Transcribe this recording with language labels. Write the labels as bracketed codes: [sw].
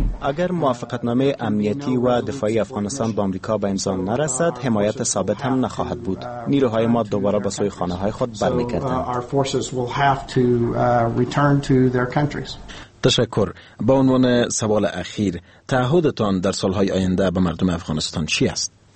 [fa] اگر موافقت نامه امنیتی و دفاعی افغانستان با آمریکا به امضا نرسد، حمایت ثابت هم نخواهد بود. نیروهای ما دوباره به سوی خانه های خود برمیگردند. [en] So our forces will have to return to their countries. [fa] تشکر. با عنوان سوال اخیر، تعهدتان در سالهای آینده به مردم افغانستان چی است؟